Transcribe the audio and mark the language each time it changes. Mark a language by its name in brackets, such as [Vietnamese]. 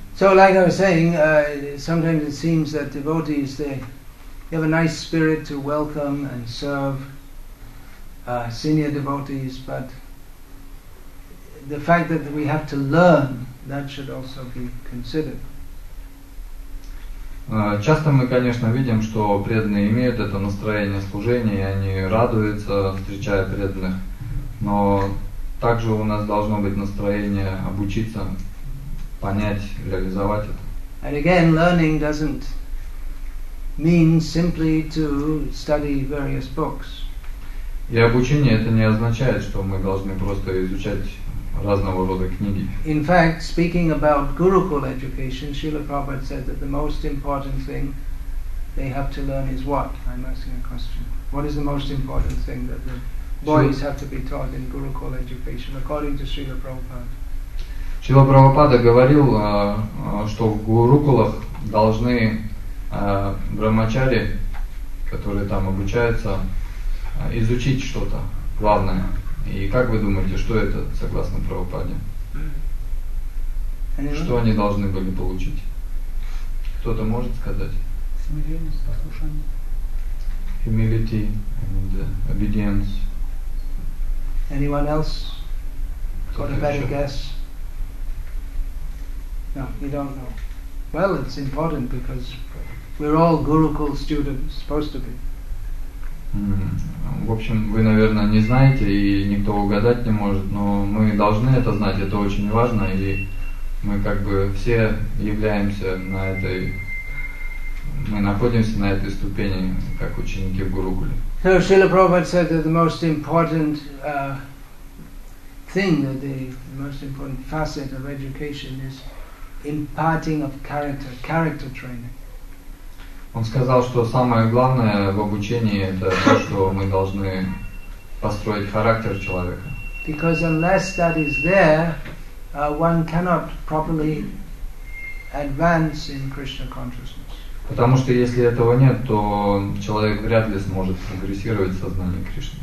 [English] So, like I was saying, sometimes it seems that devotees they have a nice spirit to welcome and serve senior devotees, but the fact that we have to learn, that should also be considered. [Russian] Часто мы, конечно, видим, что преданные имеют это настроение служения, и они радуются, встречая преданных. Но также у нас должно быть настроение обучиться, понять, реализовать это. [English] And again, learning doesn't mean simply to study various books. [Russian] И обучение это не означает, что мы должны просто изучать разного рода книги. [English] In fact, speaking about Gurukul education, Srila Prabhupada said that the most important thing they have to learn is what? I'm asking a question. What is the most important thing that the boys have to be taught in Gurukul education, according to Srila Prabhupada? [Russian] Srila Prabhupada говорил, что в Гурукулах должны брахмачари, которые там обучаются, изучить что-то главное. И как вы думаете, что это, согласно Прабхупаде? Что они должны были получить? Кто-то может сказать? Смирение, послушание. [English] Humility and obedience. Anyone else got a better guess? No, you don't know. Well, it's important because we're all Gurukul students, supposed to be. [Russian] В общем, вы, наверное, не знаете, и никто угадать не может, но мы должны это знать, это очень важно, и мы как бы все являемся на этой, мы находимся на этой ступени, как ученики в Гурукуле. [English] So, Srila Prabhupada said that the most important thing, that the most important facet of education is imparting of character, character training. [Russian] Он сказал, что самое главное в обучении это то, что мы должны построить характер человека. [English] Because unless that is there, one cannot properly advance in Krishna consciousness. [Russian] Потому что если этого нет, то человек вряд ли сможет прогрессировать в сознании Кришны.